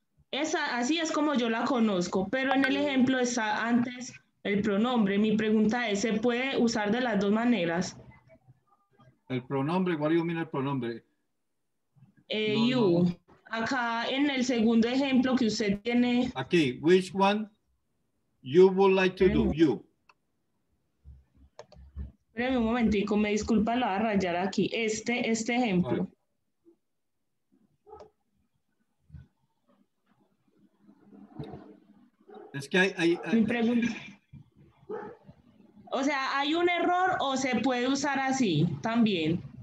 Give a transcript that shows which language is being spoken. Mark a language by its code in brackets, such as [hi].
[es] Esa, así es como yo la conozco, pero en el ejemplo está antes el pronombre. Mi pregunta es, ¿se puede usar de las dos maneras? El pronombre, ¿cuál yo mira el pronombre? [en] No, you. No. [es] Acá en el segundo ejemplo que usted tiene. Aquí, [en] which one you would like to do, you. [es] Espérame un momentico, me disculpa, lo voy a rayar aquí. Este ejemplo. Vale. Es que hay. Mi pregunta. O sea, ¿hay un error o se puede usar así también?